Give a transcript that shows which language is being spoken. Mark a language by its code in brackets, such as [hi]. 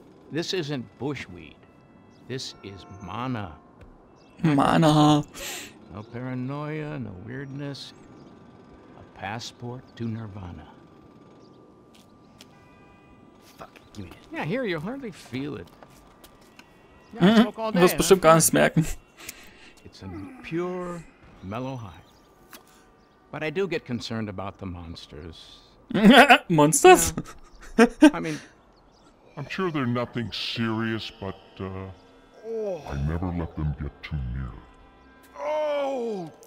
[en] This isn't bushweed. This is mana. Mana. No paranoia, no weirdness. A passport to nirvana. [de] Ja, hier, [en] you hardly feel it. [de] Du wirst bestimmt gar nichts merken. [en] It's a pure mellow high. But I do get concerned about the monsters. Monsters? I mean, I'm sure they're nothing serious, but I never let them get too near.